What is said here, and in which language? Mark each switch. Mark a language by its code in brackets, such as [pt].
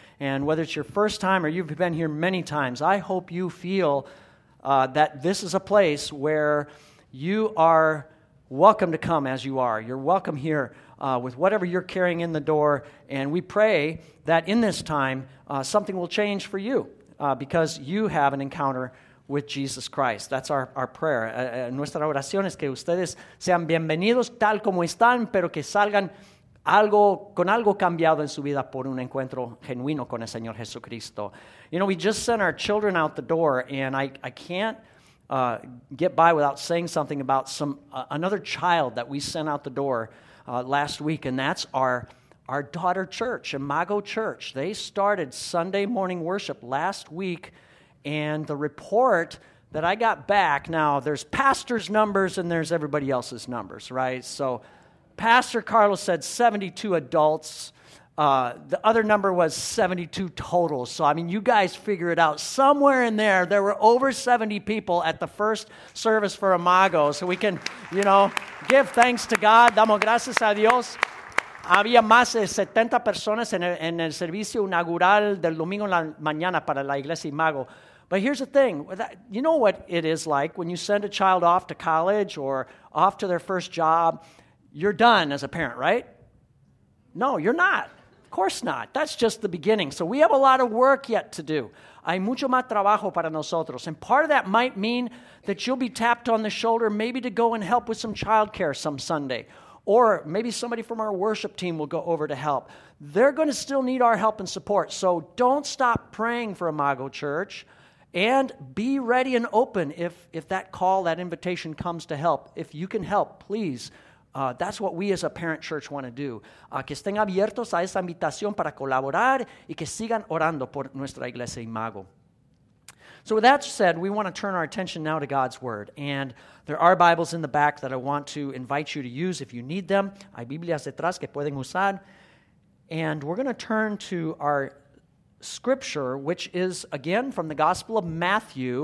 [en] And whether it's your first time or you've been here many times, I hope you feel that this is a place where you are welcome to come as you are. You're welcome here with whatever you're carrying in the door. And we pray that in this time, something will change for you because you have an encounter with Jesus Christ. That's our prayer. [es] Nuestra oración es que ustedes sean bienvenidos tal como están, pero que salgan algo con algo cambiado en su vida por un encuentro genuino con el Señor Jesucristo. [en] You know, we just sent our children out the door, and I can't get by without saying something about another child that we sent out the door last week, and that's our daughter church, Imago Church. They started Sunday morning worship last week. And the report that I got back, now there's pastor's numbers and there's everybody else's numbers, right? So Pastor Carlos said 72 adults. The other number was 72 total. So, I mean, you guys figure it out. Somewhere in there were over 70 people at the first service for Imago. So we can, you know, give thanks to God. [es] Damos gracias a Dios. Había más de 70 personas en el servicio inaugural del domingo en la mañana para la iglesia Imago. [en] But here's the thing. You know what it is like when you send a child off to college or off to their first job? You're done as a parent, right? No, you're not. Of course not. That's just the beginning. So we have a lot of work yet to do. [es] Hay mucho más trabajo para nosotros. [en] And part of that might mean that you'll be tapped on the shoulder maybe to go and help with some childcare some Sunday. Or maybe somebody from our worship team will go over to help. They're going to still need our help and support. So don't stop praying for Imago Church. And be ready and open if that call, that invitation comes to help. If you can help, please. That's what we as a parent church want to do. [es] Que estén abiertos a esa invitación para colaborar y que sigan orando por nuestra iglesia Imago. [en] So with that said, we want to turn our attention now to God's Word. And there are Bibles in the back that I want to invite you to use if you need them. [es] Hay Biblias detrás que pueden usar. [en] And we're going to turn to our scripture, which is, again, from the Gospel of Matthew.